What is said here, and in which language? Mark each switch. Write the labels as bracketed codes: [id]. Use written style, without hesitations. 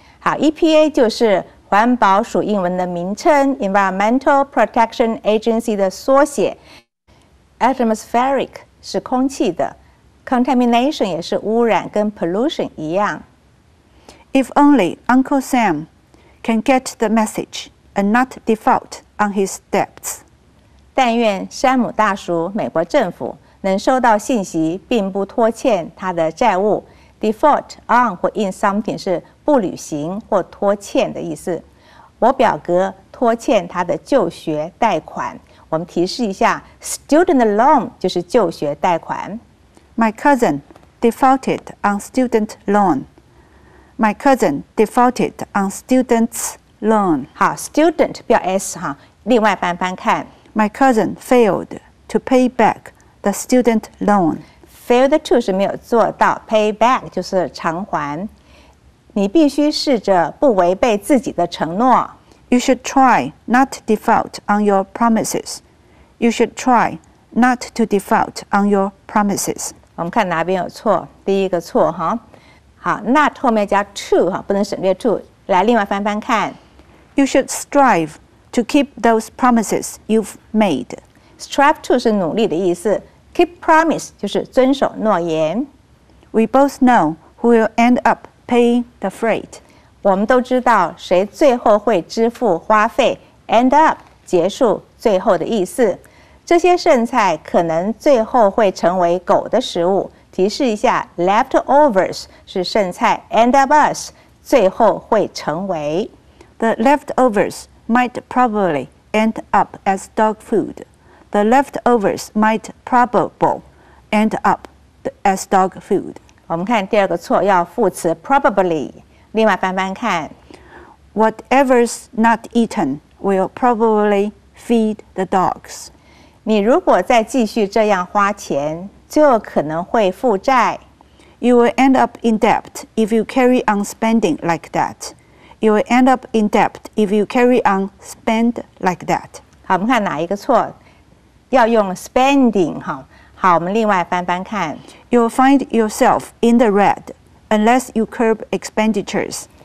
[zh] 好 ，EPA 就是环保署英文的名称 ，Environmental Protection Agency 的缩写。 Atmospheric 是空气的 ，contamination 也是污染，跟 pollution 一样。 [en] If only Uncle Sam can get the message and not default on his debts. [zh] 但愿山姆大叔，美国政府。能收到信息并不拖欠他的债务 default on 或 in something 是不履行或拖欠的意思我表哥拖欠他的就学贷款我们提示一下 student loan 就是就学贷款 [en] my cousin defaulted on student loan my cousin defaulted on student's loan [zh] 好 student 不要 s 哈另外翻翻看 [en] my cousin failed to pay backThe student loan. [zh] Failed to 是没有做到 pay back 就是偿还。你必须试着不违背自己的承诺。 [en] You should try not default on your promises. You should try not to default on your promises. [zh] 我们看哪边有错？第一个错哈。好 ，not 后面加 to 哈，不能省略 to。来，另外翻翻看。 [en] You should strive to keep those promises you've made. [zh] Strive to 是努力的意思 ，keep promise 就是遵守诺言。 [en] We both know who will end up paying the freight。 [zh] 我们都知道谁最后会支付花费。 End up 结束，最后的意思。这些剩菜可能最后会成为狗的食物。提示一下 ，leftovers 是剩菜 ，end up us 最后会成为。 [en] The leftovers might probably end up as dog food。 The leftovers might probable end up as dog food. [zh] 我们看第二个错，要副词 probably. 另外翻翻看 [en] ，whatever's not eaten will probably feed the dogs. [zh] 你如果再继续这样花钱，就可能会负债。 [en] You will end up in debt if you carry on spending like that. You will end up in debt if you carry on spend like that. [zh] 好，我们看哪一个错？要用 spending 哈，好，我们另外翻翻看。 [en] You'll find yourself in the red unless you curb expenditures.